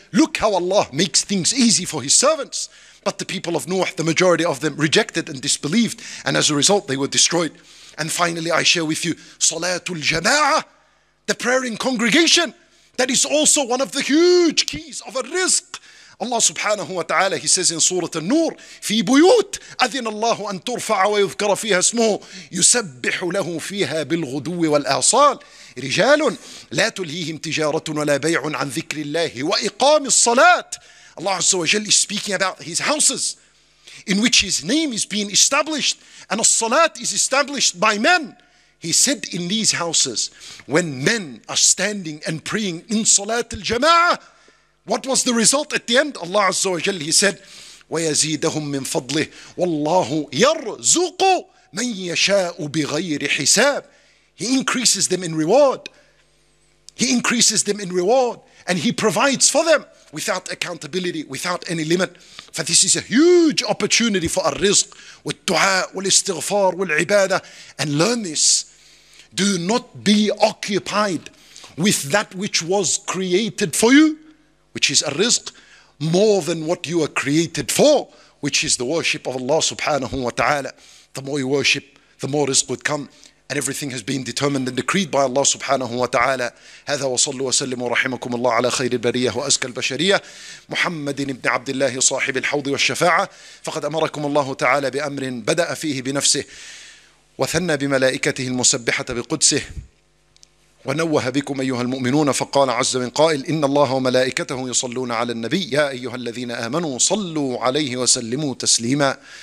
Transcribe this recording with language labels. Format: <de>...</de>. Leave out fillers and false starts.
<en>Look how Allah makes things easy for His servants. But the people of Nuh, the majority of them, rejected and disbelieved. And as a result, they were destroyed. And finally, I share with you, Salatul Jama'ah, the prayer in congregation. That is also one of the huge keys of a rizq.</en> <ar>Allah subhanahu wa ta'ala,</ar> <en>He says in Surah</en> <ar>An-Nur, في بيوت أذن الله أن ترفع ويذكر فيها اسمه يسبح له فيها بالغدو والآصال رجال لا تلهيهم تجارة ولا بيع عن ذكر الله وإقام الصلاة.</ar> <en>Allah Azza wa Jal is speaking about His houses in which His name is being established and As-Salat is established by men. He said in these houses, when men are standing and praying in Salat al-Jama'ah, what was the result at the end?</en> <ar>Allah Azza wa Jal,</ar> <en>He said,</en> <ar>وَيَزِيدَهُمْ مِنْ فَضْلِهِ وَاللَّهُ يَرْزُقُ مَنْ يَشَاءُ بِغَيْرِ حِسَابٍ.</ar> <en>He increases them in reward. He increases them in reward. And He provides for them without accountability, without any limit. For this is a huge opportunity for ar-rizq, wal-du'a, wal-istighfar, wal-ibadah. And learn this. Do not be occupied with that which was created for you, which is a rizq, more than what you are created for, which is the worship of Allah subhanahu wa ta'ala. The more you worship, the more rizq would come. And everything has been determined and decreed by Allah subhanahu wa ta'ala.</en> <ar>هذا وصلوا وسلموا رحمكم الله على خير البرية وأزكى البشرية محمد بن عبد الله صاحب الحوض والشفاعة فقد أمركم الله تعالى بأمر بدأ فيه بنفسه وثنى بملائكته المسبحة بقدسه ونوه بكم أيها المؤمنون فقال عز من قائل إن الله وملائكته يصلون على النبي يا أيها الذين آمنوا صلوا عليه وسلموا تسليما</ar>